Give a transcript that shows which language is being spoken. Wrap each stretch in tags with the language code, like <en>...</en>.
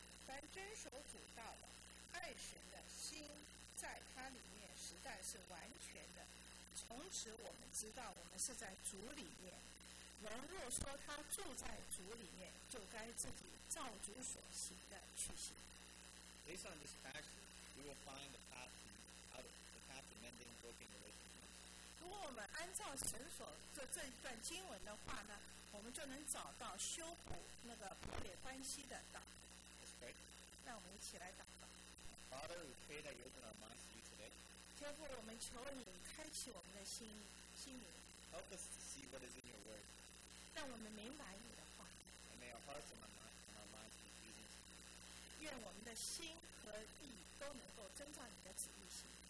<zh>凡遵守主道的，爱神的心在他里面实在是完全的。从此我们知道我们是在主里面。人若说他住在主里面，就该自己照主所行的去行。</zh> <en>Based on this passage, you will find the path out of the path to mending broken relationships.</en> <zh>如果我们按照神所的这一段经文的话呢，我们就能找到修补那个破裂关系的道。那我们一起来祷告。</zh> <en>Father, we pray that you open our minds to you today.</en> <zh>天父，我们求你开启我们的心灵。</zh> <en>Help us to see what is in your word.</en> <zh>让我们明白你的话。</zh> <en>And may our hearts and our minds be pleasing to you.</en> <zh>愿我们的心和意都能够遵照你的旨意行。</zh>